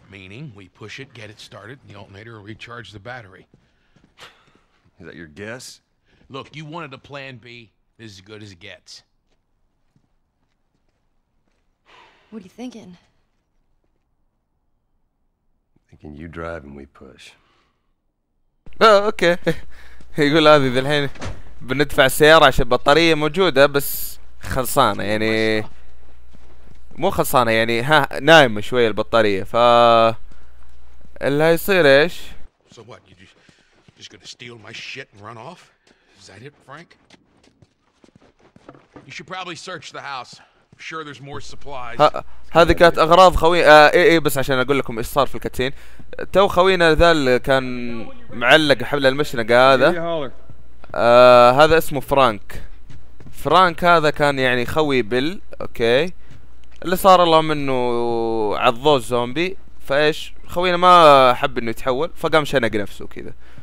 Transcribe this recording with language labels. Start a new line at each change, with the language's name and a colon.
English: Meaning, we push it, get it started, and the alternator will recharge the battery. Is that your guess? Look, you wanted a plan B. This is as good as it gets. What are you thinking? Thinking you drive and we push. Oh, okay.
Arabic: يقول هذه ذي الحين بندفع السيارة عشان البطارية موجودة بس خلصانة يعني مو خلصانة يعني ها نايمة شوية البطارية ف اللي هيصير ايش؟
English: So what? You just gonna steal my shit and run off? Is that it, Frank? You should probably search the house. I'm sure there's more supplies.
Arabic: هذه كانت أغراض خوي بس عشان أقول لكم إيش صار في الكتين. تو خوينا ذا اللي كان معلق حبل المشنقة هذا هذا اسمه فرانك. فرانك هذا كان يعني خوي بيل، أوكي؟ اللي صار اللهم إنه عضوه الزومبي، فإيش؟ خوينا ما حب إنه يتحول، فقام شنق نفسه كذا.